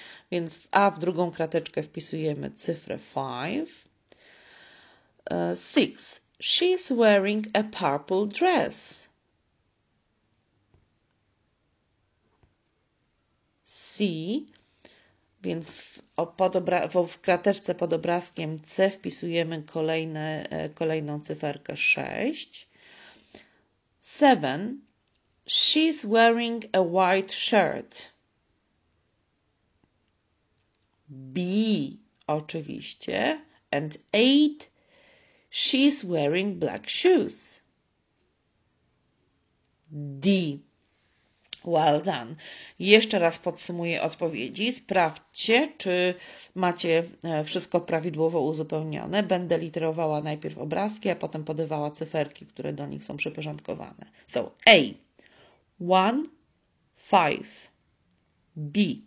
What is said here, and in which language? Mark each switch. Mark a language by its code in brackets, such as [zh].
[pl] Więc w A w drugą krateczkę wpisujemy cyfrę 5. 6. [en] She's wearing a purple dress. C. [pl] Więc w krateczce pod obrazkiem C wpisujemy kolejną cyferkę 6. 7. [en] She's wearing a white shirt. [pl] B oczywiście. And 8. [en] She's wearing black shoes. D. Well done. [pl] Jeszcze raz podsumuję odpowiedzi. Sprawdźcie, czy macie wszystko prawidłowo uzupełnione. Będę literowała najpierw obrazki, a potem podawała cyferki, które do nich są przyporządkowane. [en] So, A. 1, 5. B.